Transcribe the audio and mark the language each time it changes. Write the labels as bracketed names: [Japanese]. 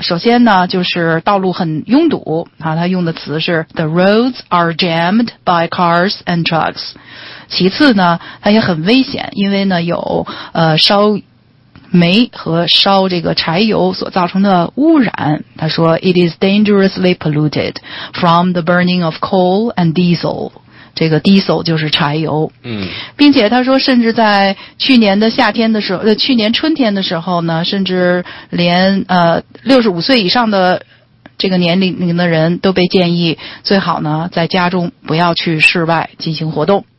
[Chinese] 首先呢，就是道路很拥堵啊，他用的词是 [English] The roads are jammed by cars and trucks。 [Chinese] 其次呢，它也很危险，因为呢有烧煤和烧这个柴油所造成的污染。他说 [English] ,It is dangerously polluted from the burning of coal and diesel. [Chinese] 这个 diesel 就是柴油。嗯。并且他说甚至在去年的夏天的时候去年春天的时候呢，甚至连65岁以上的这个年龄的人都被建议最好呢在家中不要去室外进行活动。